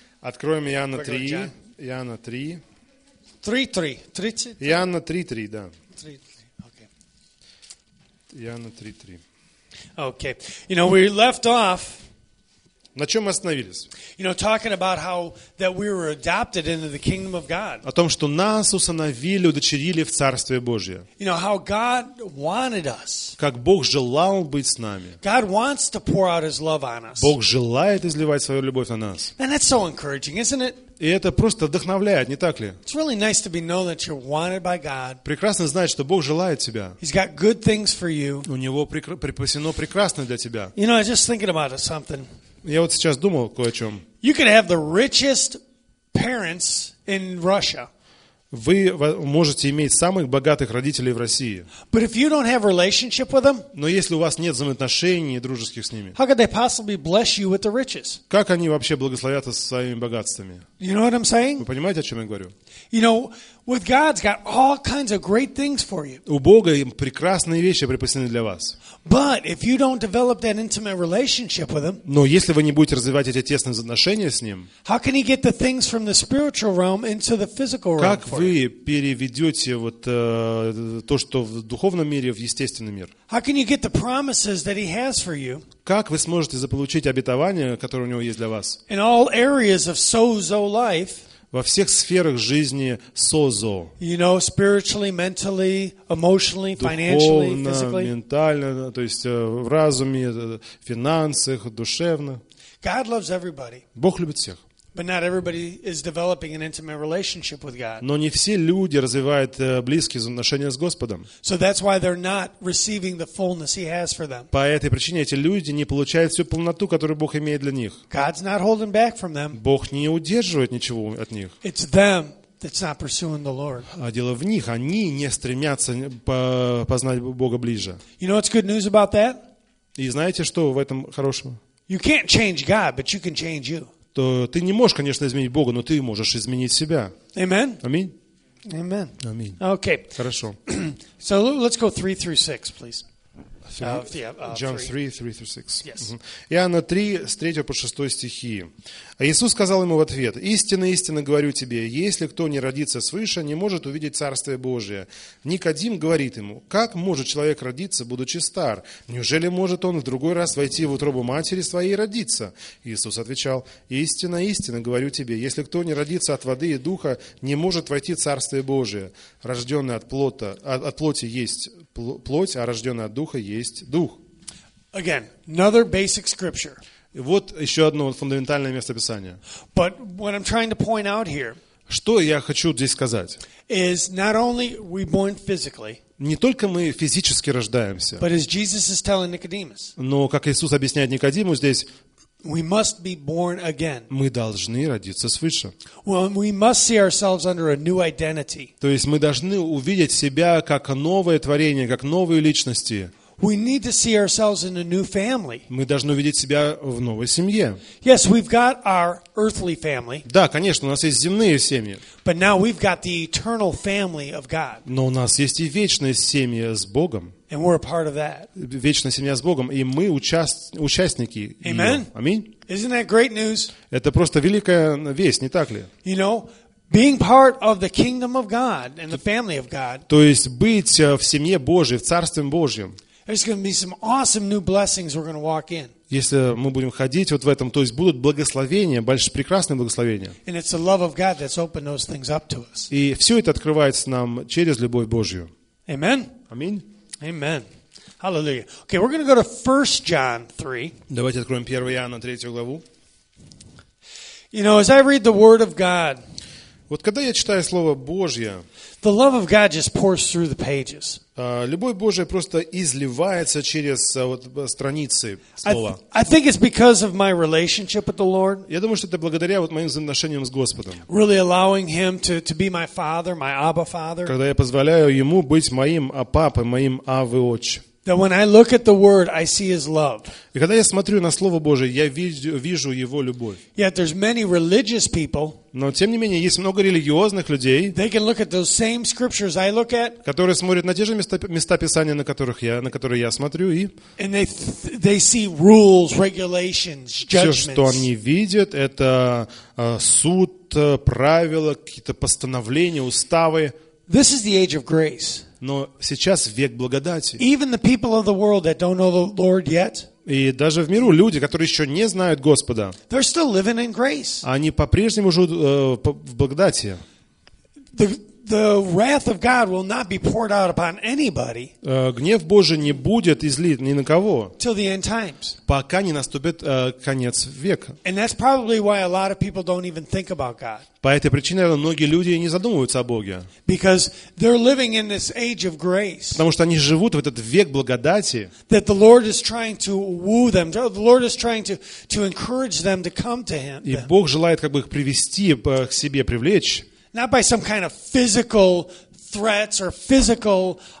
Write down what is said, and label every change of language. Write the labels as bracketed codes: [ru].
[ru] Откроем Иоанна 3. Иоанна 3. 3:3. Иоанна 3:3, да. 3:3. Okay. Иоанна 3:3. [en] Okay. We left off. [ru] На чём мы остановились? [en] Talking about how that we were adopted into the kingdom of God. [ru] О том, что нас усыновили, удочерили в Царствие Божие. [en] How God wanted us. [ru] Как Бог желал быть с нами. [en] God wants to pour out his love on us. [ru] Бог желает изливать свою любовь на нас. [en] And that's so encouraging, isn't it? [ru] И это просто вдохновляет, не так ли? [en] It's really nice to be known that you're wanted by God. [ru] Прекрасно знать, что Бог желает тебя. [en] He's got good things for you. [ru] У него припасено прекрасное для тебя. [en] I was just thinking about something. [ru] Я вот сейчас думал кое о чем. [en] You could have the richest parents in Russia. [ru] Вы можете иметь самых богатых родителей в России. [en] But if you don't have relationship with them, [ru] но если у вас нет взаимоотношений дружеских с ними, [en] how could they possibly bless you with the riches? [ru] Как они вообще благословят вас своими богатствами? [en] You know what I'm saying? [ru] Вы понимаете, о чем я говорю? [en] With God's got all kinds of great things for you. [ru] У Бога прекрасные вещи припасены для вас. [en] But if you don't develop that intimate relationship with him, [ru] но если вы не будете развивать эти тесные отношения с ним, [en] how can he get the things from the spiritual realm into the physical realm? [ru] Как вы переведете вот то, что в духовном мире, в естественный мир? [en] How can you get the promises that he has for you? [ru] Как вы сможете заполучить обетование, которое у него есть для вас? [en] In all areas of sozo life. [ru] Во всех сферах жизни созо. [en] Spiritually, mentally, emotionally, financially, physically. [ru] Духовно, ментально, то есть в разуме, в финансах, душевно. [en] God loves everybody. [ru] Бог любит всех. [en] But not everybody is developing an intimate relationship with God. [ru] Но не все люди развивают близкие взаимоотношения с Господом. [en] So that's why they're not receiving the fullness he has for them. [ru] По этой причине эти люди не получают всю полноту, которую Бог имеет для них. [en] God's not holding back from them. [ru] Бог не удерживает ничего от них. [en] It's them that's not pursuing the Lord. [ru] А дело в них, они не стремятся познать Бога ближе. [en] You know what's good news about that? [ru] И знаете, что в этом хорошего? [en] You can't change God, but you can change you. [ru] То ты не можешь, конечно, изменить Бога, но ты можешь изменить себя. [en] Amen. [ru] Аминь. [en] Amen. [ru] Аминь. [en] Okay. [ru] Хорошо. [en] So let's go 3 through 6, please. John 3:3-6. Yes. [ru] Иоанна 3, с 3 по 6 стихи. А Иисус сказал ему в ответ: «Истинно, истинно говорю тебе, если кто не родится свыше, не может увидеть Царствие Божие». Никодим говорит ему: «Как может человек родиться, будучи стар? Неужели может он в другой раз войти в утробу матери своей и родиться?» Иисус отвечал: «Истинно, истинно говорю тебе, если кто не родится от воды и духа, не может войти в Царствие Божие. Рожденный от плота, от плоти есть плоть, а рожденный от духа есть дух». [en] Again, another basic scripture. [ru] Вот еще одно фундаментальное место писания. [en] But what I'm trying to point out here. [ru] Что я хочу здесь сказать? [en] Is not only we born physically. [ru] Не только мы физически рождаемся. [en] But as Jesus is telling Nicodemus. [ru] Но как Иисус объясняет Никодиму здесь. [en] We must be born again. [ru] Мы должны родиться свыше. [en] Well, we must see ourselves under a new identity. [ru] То есть мы должны увидеть себя как новое творение, как новые личности. [en] We need to see ourselves in a new family. [ru] Мы должны увидеть себя в новой семье. [en] Yes, we've got our earthly family. [ru] Да, конечно, у нас есть земные семьи. [en] But now we've got the eternal family of God. [ru] Но у нас есть и вечная семья с Богом. [en] And we're a part of that. [ru] Вечная семья с Богом, и мы участники. [en] Amen. [ru] Аминь. [en] Isn't that great news? [ru] Это просто великая весть, не так ли? [en] Being part of the kingdom of God and the family of God. [ru] То есть быть в семье Божьей, в Царстве Божьем. [en] There's going to be some awesome new blessings we're going to walk in. [ru] Если мы будем ходить вот в этом, то есть будут благословения, большие прекрасные благословения. [en] And it's the love of God that's opened those things up to us. [ru] И все это открывается нам через любовь Божью. [en] Amen. [ru] Аминь. [en] Amen. Hallelujah. Okay, we're going to go to 1 John 3. [ru] Давайте откроем 1 Иоанна 3 главу. [en] As I read the word of God. [ru] Вот когда я читаю слово Божье. [en] The love of God just pours through the pages. [ru] Любовь Божья просто изливается через вот страницы слова. [en] I think it's because of my relationship with the Lord. [ru] Я думаю, что это благодаря вот моим взаимоотношениям с Господом. [en] Really allowing him to be my father, my Abba father. [ru] Когда я позволяю ему быть моим папой, моим Авве отче. [en] That when I look at the word, I see his love. [ru] И когда я смотрю на слово Божие, я вижу его любовь. [en] Yet there's many religious people. [ru] Но тем не менее есть много религиозных людей. [en] They can look at those same scriptures I look at. [ru] Которые смотрят на те же места Писания, на которые я смотрю и. [en] And they see rules, regulations, judgments. [ru] Все, что они видят, это суд, правила, какие-то постановления, уставы. [en] This is the age of grace. [ru] Но сейчас век благодати. [en] Even the people of the world that don't know the Lord yet. [ru] И даже в миру люди, которые еще не знают Господа. [en] They're still living in grace. [ru] Они по-прежнему живут в благодати. [en] The wrath of God will not be poured out upon anybody. [ru] Гнев Божий не будет излит ни на кого. [en] Till the end times. [ru] Пока не наступит конец века. [en] And that's probably why a lot of people don't even think about God. [ru] По этой причине, наверное, многие люди не задумываются о Боге. [en] Because they're living in this age of grace. [ru] Потому что они живут в этот век благодати. [en] That the Lord is trying to woo them. The Lord is trying to encourage them to come to Him. [ru] И Бог желает как бы их привести к себе, привлечь. [en] Not by some kind of physical threats or physical